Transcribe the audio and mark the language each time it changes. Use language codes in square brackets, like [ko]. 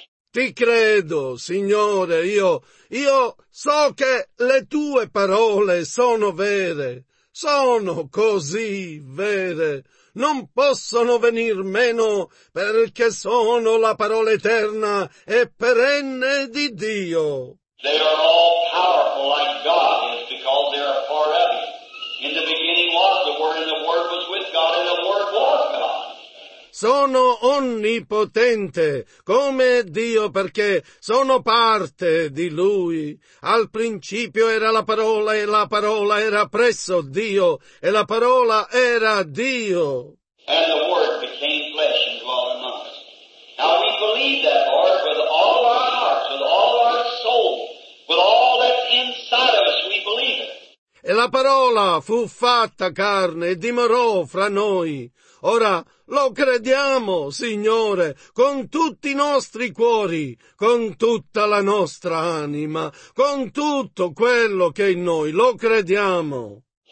[it] Ti credo, Signore, io so che le tue parole sono vere, sono così vere, non possono venir meno perché sono la parola eterna e perenne di Dio. [en] They are all powerful like God is because they are part of it. In the beginning was the Word, and the Word was with God, and the Word was God. [it] Sono onnipotente come Dio perché sono parte di Lui. Al principio era la parola e la parola era presso Dio e la parola era Dio. [en] And the Word became flesh and dwelt among us. Now we believe that Lord with all our hearts, with all our soul, with all that's inside of us, we believe it. [it] E la parola fu fatta carne e dimorò fra noi. Ora lo crediamo, Signore, con tutti i nostri cuori, con tutta la nostra anima, con tutto quello che è in noi, lo crediamo.